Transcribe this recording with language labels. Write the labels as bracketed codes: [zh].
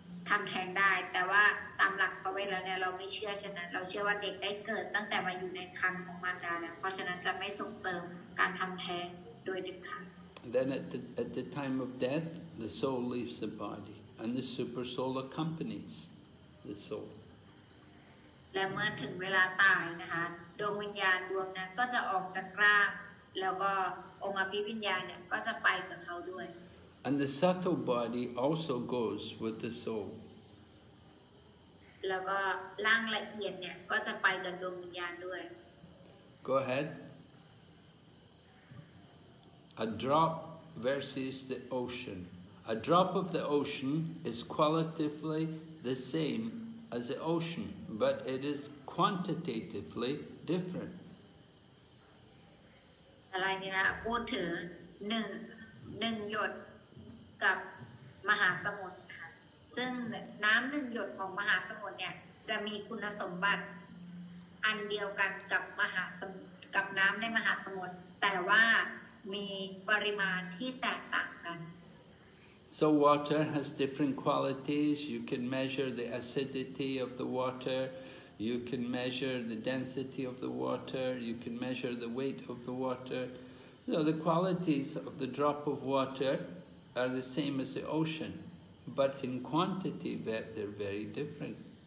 [th] ทำแท้งได้แต่ว่าตามหลักพระเวทแล้วเนี่ยเราไม่เชื่อฉะนั้นเราเชื่อว่าเด็กได้เกิดตั้งแต่มาอยู่ในครรภ์ของมารดาแล้วเพราะฉะนั้นจะไม่ส่งเสริม การทำแท้งโดยเด็ดขาด [en] Then at the time of death, the soul leaves the body, and the super soul accompanies the soul. [th] และเมื่อถึงเวลาตายนะคะดวงวิญญาณดวงนั้นก็จะออกจากร่างแล้วก็องค์อภิวิญญาณเนี่ยก็จะไปกับเขาด้วย [en] And the subtle body also goes with the soul. [th] แล้วก็ร่างละเอียดเนี่ยก็จะไปกับดวงวิญญาณด้วย [en] Go ahead. A drop versus the ocean. A drop of the ocean is qualitatively the same as the ocean, but it is quantitatively different. [th] อะไรนี่นะพูดถึงหนึ่งหยดกับมหาสมุทรค่ะซึ่งน้ำหนึ่งหยดของมหาสมุทรเนี่ยจะมีคุณสมบัติอันเดียวกันกับมหาสมุทรกับน้ำในมหาสมุทรแต่ว่ามีปริมาณที่แตกต่างกัน [en] So water has different qualities. You can measure the acidity of the waterYou can measure the density of the water, you can measure the weight of the water. You know, the qualities of the drop of water are the same as the ocean, but in quantity they're very different.